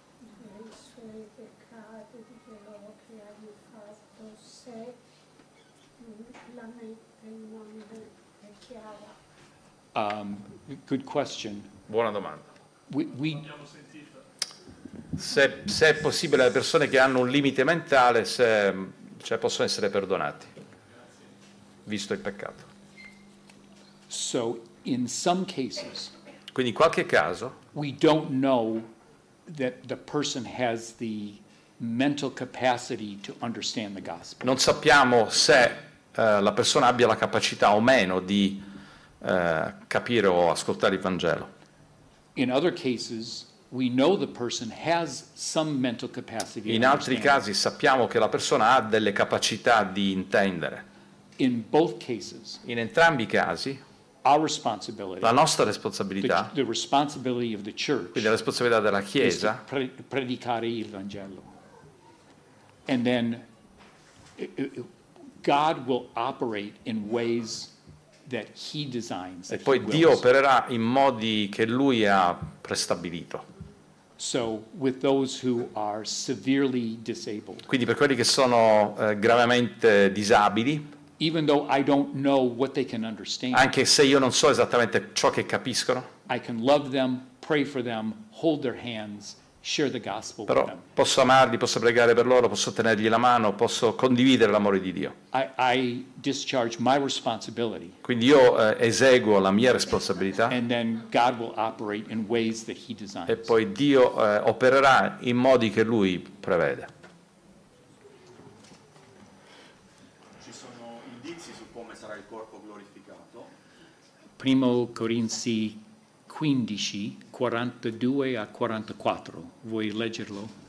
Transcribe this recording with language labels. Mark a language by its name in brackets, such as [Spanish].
[Italian] Dei suoi peccati, di quello che hanno fatto, se la mente non è chiara. [English] Good question. [Italian] Buona domanda. [English] We [Italian] se è possibile, le persone che hanno un limite mentale, se cioè possono essere perdonati, visto il peccato. [English] So, in some cases. [Italian] Quindi in qualche caso. [English] We don't know that the person has the mental capacity to understand the gospel. [Italian] Non sappiamo se la persona abbia la capacità o meno di capire o ascoltare il Vangelo. [English] In other cases, we know the person has some mental capacity. [Italian] In altri casi sappiamo che la persona ha delle capacità di intendere. [English] In both cases. [Italian] In entrambi i casi. [English] Our responsibility, [Italian] la nostra responsabilità, [English] the responsibility of the church, [Italian] quindi la responsabilità della Chiesa, predicare il Vangelo. [English] And then God will operate in ways that He designs. [Italian] E poi Dio opererà in modi che Lui ha prestabilito. [English] So, with those who are severely disabled, [Italian] quindi per quelli che sono gravemente disabili. [English] Even though I don't know what they can understand, [Italian] anche se io non so esattamente ciò che capiscono, [English] I can love them, pray for them, hold their hands, share the gospel with them. [Italian] Però posso amarli, posso pregare per loro, posso tenergli la mano, posso condividere l'amore di Dio. [English] I discharge my responsibility. [Italian] Quindi io eseguo la mia responsabilità. [English] And then God will operate in ways that He designs. [Italian] E poi Dio opererà in modi che Lui prevede. Primo Corinzi 15, 42 a 44. Vuoi leggerlo?